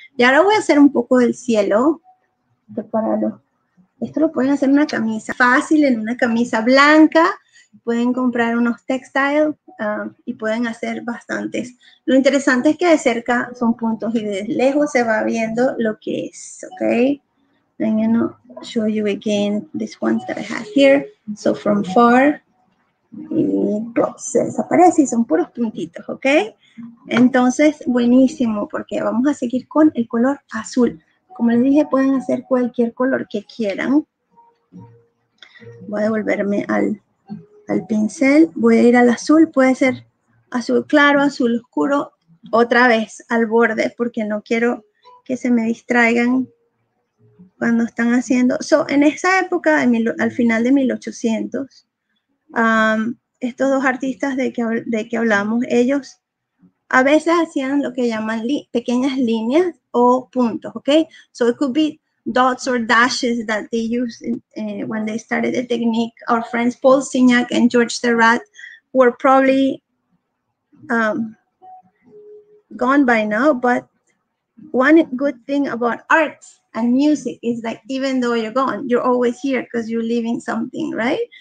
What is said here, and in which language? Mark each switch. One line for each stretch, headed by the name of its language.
Spanish: Y ahora voy a hacer un poco del cielo. Prepararlo. Esto lo pueden hacer en una camisa fácil, en una camisa blanca. Pueden comprar unos textiles y pueden hacer bastantes. Lo interesante es que de cerca son puntos y de lejos se va viendo lo que es, ¿ok?
English: I'm going to show you again this one that I have here. So from far,
Spanish: se desaparece y son puros puntitos, ¿ok? Entonces, buenísimo, porque vamos a seguir con el color azul. Como les dije, pueden hacer cualquier color que quieran. Voy a devolverme al pincel. Voy a ir al azul. Puede ser azul claro, azul oscuro. Otra vez al borde porque no quiero que se me distraigan cuando están haciendo. So, en esa época, al final de 1800, estos dos artistas de que hablamos, ellos a veces hacían lo que llaman pequeñas líneas o puntos, ¿ok?
English: So it could be dots or dashes that they used when they started the technique. Our friends Paul Signac and George Seurat were probably gone by now, but one good thing about art and music is that even though you're gone, you're always here because you're leaving something, right?